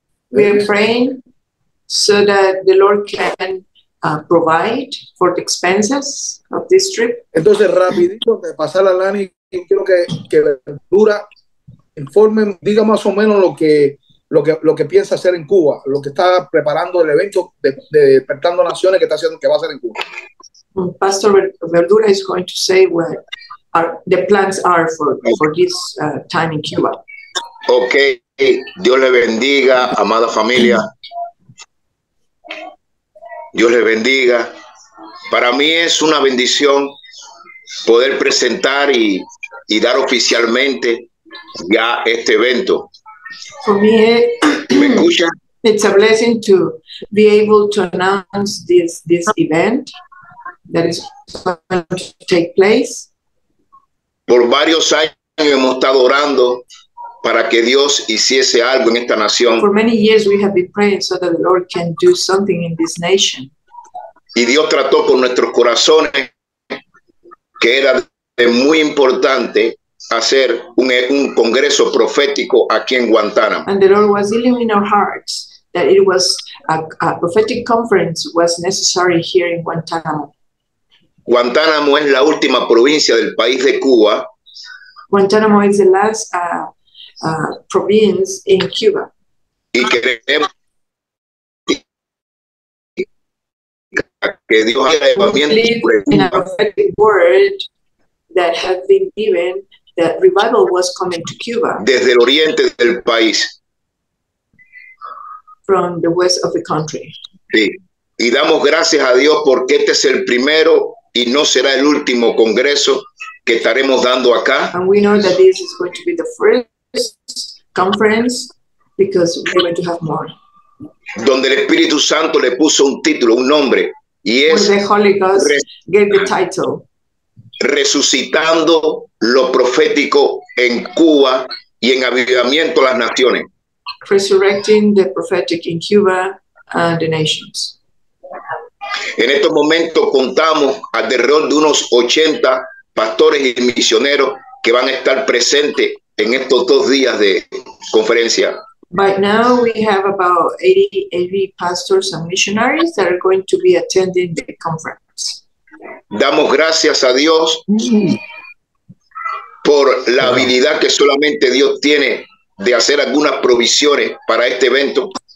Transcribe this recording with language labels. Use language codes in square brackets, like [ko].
[en] we are praying so that the Lord can provide for the expenses of this trip. [es] Entonces rapidito de pasar a Lanny, quiero que dura. Informe, diga más o menos lo que piensa hacer en Cuba, lo que está preparando el evento de Despertando Naciones que está haciendo, que va a hacer en Cuba. [en] Pastor Verdura is going to say what the plans are for this time in Cuba. [es] Okay, Dios le bendiga, amada familia. Dios le bendiga. Para mí es una bendición poder presentar y dar oficialmente ya este evento. [en] For me, [es] ¿me escuchan? [en] It's a blessing to be able to announce this event that is going to take place. [es] Por varios años hemos estado orando para que Dios hiciese algo en esta nación. [en] For many years we have been praying so that the Lord can do something in this nation. [es] Y Dios trató con nuestros corazones que era muy importante hacer un congreso profético aquí en Guantánamo. [en] And the Lord was dealing in our hearts that it was a prophetic conference was necessary here in Guantánamo. [es] Guantánamo es la última provincia del país de Cuba. [en] Guantánamo is the last province in Cuba. [es] Y queremos que Dios haga levantamiento. [en] We believe in a prophetic word that had been given that revival was coming to Cuba. [es] Desde el oriente del país. [en] From the west of the country. [es] Sí. Y damos gracias a Dios porque este es el primero y no será el último congreso que estaremos dando acá. [en] And we know that this is going to be the first conference because we're going to have more. [es] Donde el Espíritu Santo le puso un título, un nombre, y es [en] the Holy Ghost gave the title. [es] Resucitando lo profético en Cuba y en avivamiento a las naciones. [en] Resurrecting the prophetic in Cuba and the nations. [es] En estos momentos contamos alrededor de unos 80 pastores y misioneros que van a estar presentes en estos dos días de conferencia. [en] By now we have about 80 pastors and missionaries that are going to be attending the conference. [es] Damos gracias a Dios por la habilidad que solamente Dios tiene de hacer algunas provisiones para este evento.